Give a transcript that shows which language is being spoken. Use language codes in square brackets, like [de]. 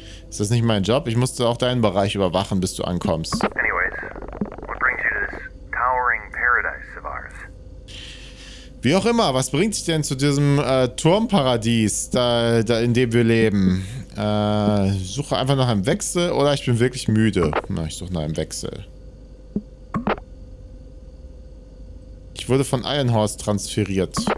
[de] Ist das nicht mein Job? Ich musste auch deinen Bereich überwachen, bis du ankommst. [en] Anyways, what brings you to this towering paradise of ours? [de] Wie auch immer, was bringt dich denn zu diesem Turmparadies, da in dem wir leben? Suche einfach nach einem Wechsel oder ich bin wirklich müde. Na, ich suche nach einem Wechsel. Ich wurde von Ironhorse transferiert.